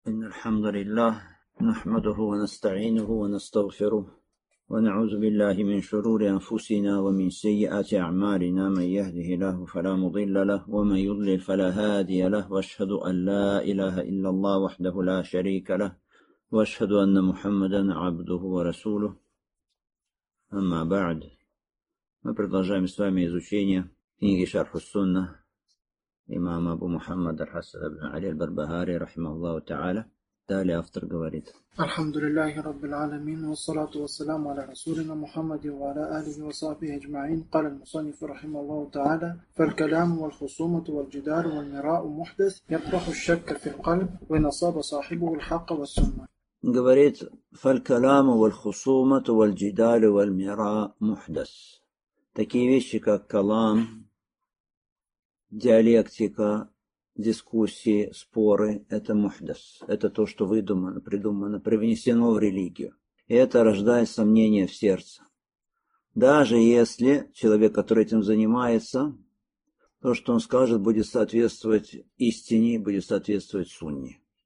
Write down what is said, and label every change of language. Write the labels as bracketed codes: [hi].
[ar] إن الحمد لله نحمده ونستعينه ونستغفره ونعوذ بالله من شرور أنفسنا ومن سيئات أعمالنا، من يهده الله فلا مضل له ومن يضلل فلا هادي له، وأشهد أن لا إله إلا الله وحده لا شريك له، وأشهد أن محمدا عبده ورسوله. أما بعد، [ru] мы продолжаем с вами изучение книги Шарху Сунна имама Абу Мухаммада Хасана ибн Али аль-Барбахари рахимахуллаху тааля. Далее автор говорит: [ar] الحمد لله رب العالمين والصلاة والسلام على رسولنا محمد وعلى آله وصحبه أجمعين. قال المصنف رحمه الله تعالى: فالكلام والخصومة والجدار والمراء محدث يطرح الشك في القلب وإن أصاب صاحبه الحق والسنة. [ru] говорит: [ar] فالكلام والخصومة والجدار والمراء محدث. [ru] Такие вещи, как калам, диалектика, дискуссии, споры – это мухдас. Это то, что выдумано, придумано, привнесено в религию. И это рождает сомнения в сердце. Даже если человек, который этим занимается, то, что он скажет, будет соответствовать истине, будет соответствовать сунне.